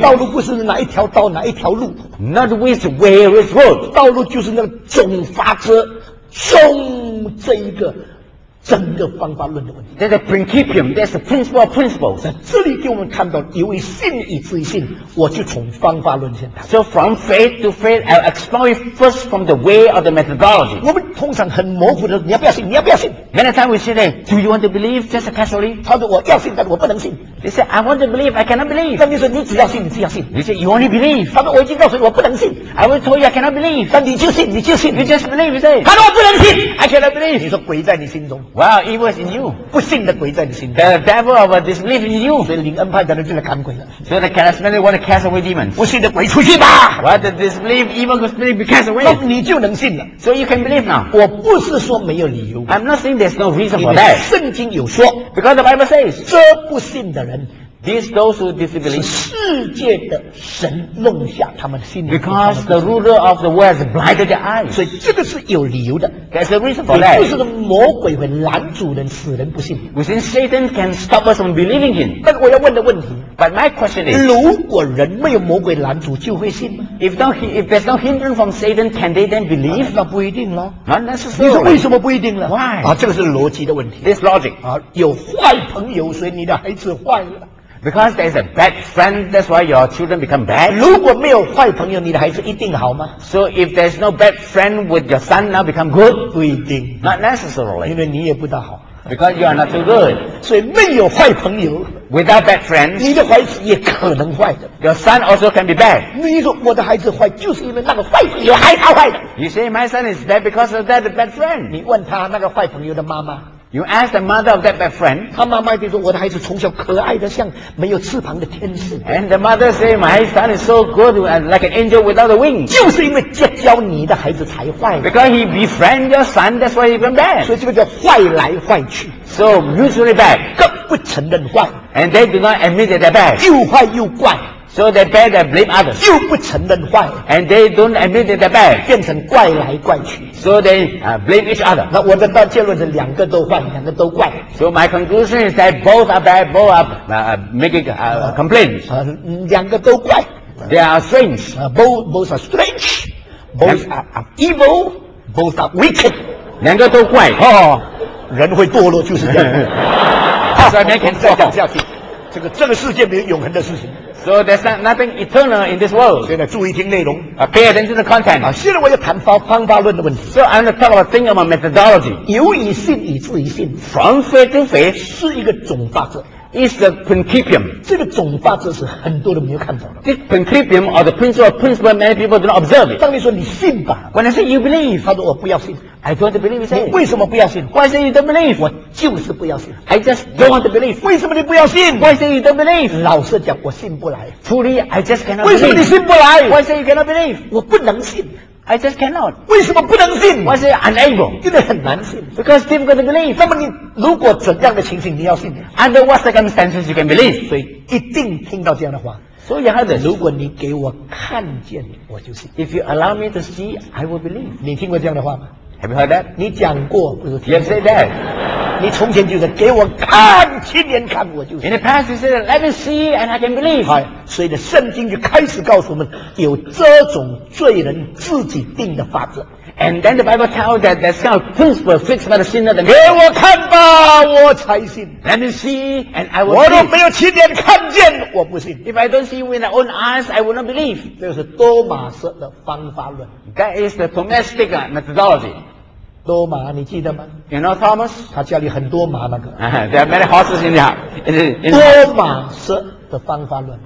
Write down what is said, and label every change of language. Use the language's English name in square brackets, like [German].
[Chinese] 道路不是哪一条道哪一条路。 [English] Not which way, which road. [Chinese] 道路就是那个总法则，总这一个。整个方法论的问题。 [English] That's the principium. That's the principle of principles. [Chinese] 在这里给我们看到，因为信以至于信，我就从方法论先谈。 [English] So from faith to faith, I'll explore it first from the way of the methodology. [Chinese] 我们通常很模糊的，你要不要信？你要不要信？ [English] Many times we say that, do you want to believe just casually? [Chinese] 他说我要信，但我不能信。 [English] He said, I want to believe, I cannot believe. [Chinese] 上帝说你只要信，你只要信。 [English] He said, you only believe. [Chinese] 他说我已经告诉你，我不能信。 [English] I was told you, I cannot believe. [Chinese] 但你就信，你就信。 [English] You just believe, he said. [Chinese] 他说我不能信。 [English] I cannot believe. [Chinese] 你说鬼在你心中。 [English] Wow, evil is in you. [Chinese] 不信的鬼在你心 [English] 中。The devil of disbelief in you. [Chinese] 所以灵恩派的人就来赶鬼了。 [English] So the charismatic want to cast away demons. [Chinese] 不信的鬼出去吧。 [English] What the disbelief, evil spirit be cast away. [Chinese] 你就能信了。 [English] So you can believe now. [Chinese] 我不是说没有理由。 [English] I'm not saying there's no reason for that. [Chinese] 圣经有说。 [English] Because the Bible says, [Chinese] 这不信的人 [English] these those who disbelieve, [Chinese] 世界的神弄瞎他们的心灵， [English] because the ruler of the world blinded their eyes. [Chinese] 所以这个是有理由的。 [English] There's a reason for that. [Chinese] 不是魔鬼会拦阻人，使人不信。 [English] We think Satan can stop us from believing him. [Chinese] 但我要问的问题， [English] but my question is, [Chinese] 如果人没有魔鬼拦阻，就会信吗？ [English] If there's no hindrance from Satan, can they then believe? [Chinese] 那不一定咯。 [English] Not necessarily. [Chinese] 你说为什么不一定了？ [English] Why? [Chinese] 啊，这个是逻辑的问题。 [English] This logic. [Chinese] 啊，有坏朋友，所以你的孩子坏了。 [English] Because there is a bad friend, that's why your children become bad. [Chinese] 如果没有坏朋友，你的孩子一定好吗？ [English] So if there's no bad friend, would your son now become good? [Chinese] 不一定。 [English] Not necessarily. [Chinese] 因为你也不大好。 [English] Because you are not too good. [Chinese] 所以没有坏朋友。 [English] Without bad friends, [Chinese] 你的孩子也可能坏的。 [English] Your son also can be bad. [Chinese] 你说我的孩子坏，就是因为那个坏朋友害他坏的。 [English] You say my son is bad because of that bad friend. [Chinese] 你问他那个坏朋友的妈妈。 [English] You ask the mother of that bad friend. [Chinese] 他妈妈就说我的孩子从小可爱的像没有翅膀的天使。 [English] And the mother say, my son is so good, like an angel without a wing. [Chinese] 就是因为结交你的孩子才坏。 [English] Because he befriend your son, that's why he become bad. [Chinese] 所以这个叫坏来坏去。 [English] So mutually bad. [Chinese] 更不承认坏。 [English] And they do not admit that they're bad. [Chinese] 又坏又怪。 [English] So they bad and blame others. [Chinese] 又不承认坏。 [English] And they don't admit that they're bad. [Chinese] 变成怪来怪去。 [English] So they blame each other. [Chinese] 那我的大结论是两个都坏，两个都怪。 [English] So my conclusion is that both are bad, both are making complaints. [Chinese] 两个都怪。 [English] They are strange. Both are strange. Both are evil. Both are wicked. [Chinese] 两个都怪。哦，人会堕落就是这样。所以没可能再讲下去。这个世界没有永恒的事情。 [English] So there's nothing eternal in this world. [Chinese] 现在注意听内容。 [English] Pay attention to the content. [Chinese] 现在我要谈方法论的问题。 [English] So I'm going to talk about thinking about methodology. [Chinese] 由以信，以至以信。 [English] From faith to faith [Chinese] 是一个总法则。 [English] Is the principium. [Chinese] 这个总法则是很多人没有看到的。 [English] This principium or the principle many people do not observe it. [Chinese] 当你说你信吧。 [English] When I say you believe. [Chinese] 他说我不要信。 [English] I don't want to believe, he said. [Chinese] 你为什么不要信？ [English] Why say you don't believe? [Chinese] 我就是不要信。 [English] I just don't want to believe. [Chinese] 为什么你不要信？ [English] Why say you don't believe? [Chinese] 老实讲，我信不来。 [English] Truly, I just cannot [Chinese] believe. 为什么你信不来？ [English] Why say you cannot believe? [Chinese] 我不能信。 [English] I just cannot. [Chinese] 为什么不能信？ [English] Why say unable? [Chinese] 因为很难信。 [English] Because difficult to believe. [Chinese] 那么你如果怎样的情形你要信？ [English] Under what circumstances you can believe? [Chinese] 所以一定听到这样的话。 [English] So you have this. [Chinese] 如果你给我看见，我就信。 [English] If you allow me to see, I will believe. [Chinese] 你听过这样的话吗？ [English] Have you heard that? [Chinese] 你讲过，不是听。 [English] You said that. [Chinese] 你从前就是给我看，亲眼看我就是。 [English] In the past, you said, "Let me see, and I can believe." [Chinese] 哎，所以的圣经就开始告诉我们，有这种罪人自己定的法则。 [English] And then the Bible tells that there's some principle fixed by the sinner. That [Chinese] 给我看吧，我才信。 [English] Let me see, and I will. [Chinese] 我都没有亲眼看见，我不信。 [English] If I don't see with my own eyes, I will not believe. [Chinese] 这是多马斯的方法论。 [English] That is the Thomistic methodology. [Chinese] 多马，你记得吗？ [English] You know Thomas? [Chinese] 他家里很多马那个。 [English] There are many horses in there. [Chinese] 多马式的方法论。